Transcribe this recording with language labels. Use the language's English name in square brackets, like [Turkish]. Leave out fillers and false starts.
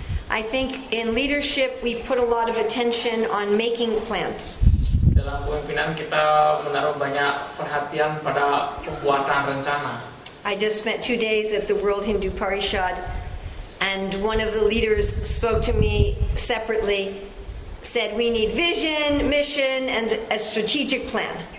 [English] I think in leadership we put a lot of attention on making plans. [Indonesian] Dalam kepemimpinan kita menaruh banyak perhatian pada pembuatan rencana. [English] I just spent 2 days at the World Hindu Parishad, and one of the leaders spoke to me separately, said we need vision, mission, and a strategic plan.